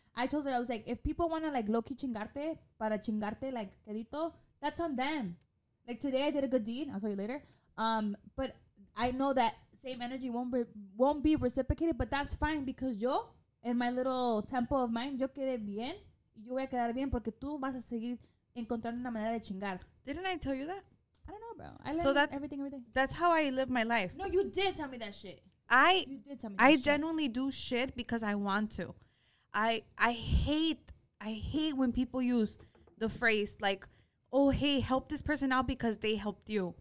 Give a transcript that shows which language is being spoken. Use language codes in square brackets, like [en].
[en] I told her, I was like, if people want to, like, low-key [es] chingarte para chingarte, [en] like, [es] querito, [en] that's on them. Like, today I did a good deed. I'll tell you later. But I know that same energy won't be reciprocated, but that's fine because yo, in my little tempo of mine, [es] yo quedé bien. Yo voy a quedar bien porque tú vas a seguir encontrando una manera de chingar. [en] Didn't I tell you that? I don't know, bro. I learned everything every day. That's how I live my life. No, you did tell me that shit. I genuinely do shit because I want to. I hate when people use the phrase like, oh, hey, help this person out because they helped you.